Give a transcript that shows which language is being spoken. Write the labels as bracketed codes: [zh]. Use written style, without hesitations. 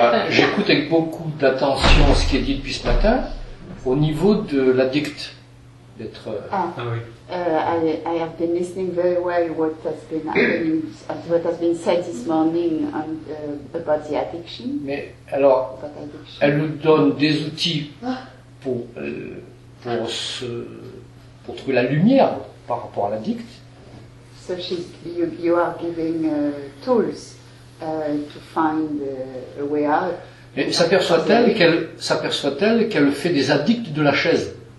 [fr] J'écoute avec beaucoup d'attention ce qui est dit depuis ce matin au niveau de l'addict. [en] I have been listening very well what has been happening, what has been said this morning on, about the addiction. [fr] Mais alors, addiction. Elle nous donne des outils pour trouver la lumière par rapport à l'addict. [en] So she's, you are giving tools to find a way out. [fr] Et s'aperçoit-elle qu'elle fait des addicts de la chaise.